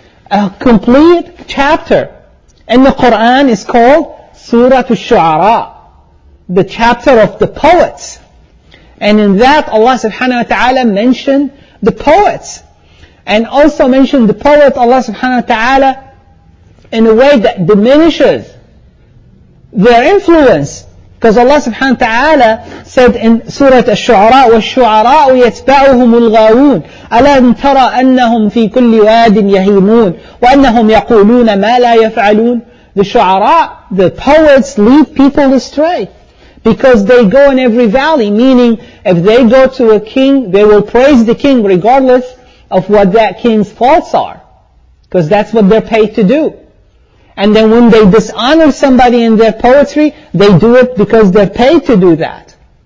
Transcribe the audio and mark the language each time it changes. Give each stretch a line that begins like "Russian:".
English: A complete chapter in the Qur'an is called Surah Al-Shu'ara, the chapter of the poets. And in that Allah subhanahu wa ta'ala mentioned the poets. And also mentioned the poet Allah subhanahu wa ta'ala in a way that diminishes their influence. Because Allah subhanahu wa ta'ala said in Surah Al-Shu'ara,
Arabic: وَالشُعَرَاءُ يَتْبَعُهُمُ الْغَاوُونَ أَلَمْ تَرَى أَنَّهُمْ فِي كُلِّ وَادٍ يَهِيمُونَ وَأَنَّهُمْ يَقُولُونَ مَا لَا يَفْعَلُونَ.
English: The shu'ara, the poets, lead people astray. Because they go in every valley, meaning if they go to a king, they will praise the king regardless of what that king's faults are. Because that's what they're paid to do. And then when they dishonor somebody in their poetry, they do it because they're paid to do that.